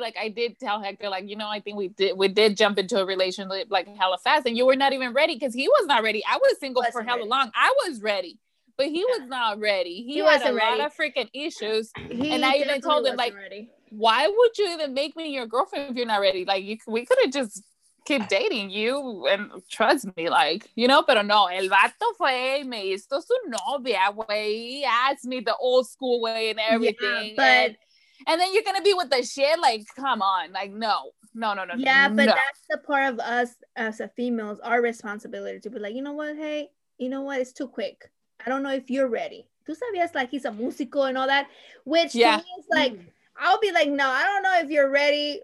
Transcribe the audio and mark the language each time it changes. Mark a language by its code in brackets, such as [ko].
[en] Like, I did tell Hector, like, you know, I think we did jump into a relationship like hella fast, and you were not even ready because he was not ready. I was single for hella long. I was ready, but he was not ready. He had a lot of freaking issues. And I even told him, like, why would you even make me your girlfriend if you're not ready? Like, we could have just keep dating you, and trust me, like, you know. [es] Pero no, el vato fue, me hizo su novia, wey. [en] He asked me the old school way and everything. Yeah, but and then you're gonna be with the shit, like, come on, like, no. Yeah, but that's the part of us as a females, our responsibility to be like, you know what, hey, you know what, it's too quick. I don't know if you're ready. [es] Tú sabías, [en] like, he's a músico and all that, which to me is like, I'll be like, no, I don't know if you're ready.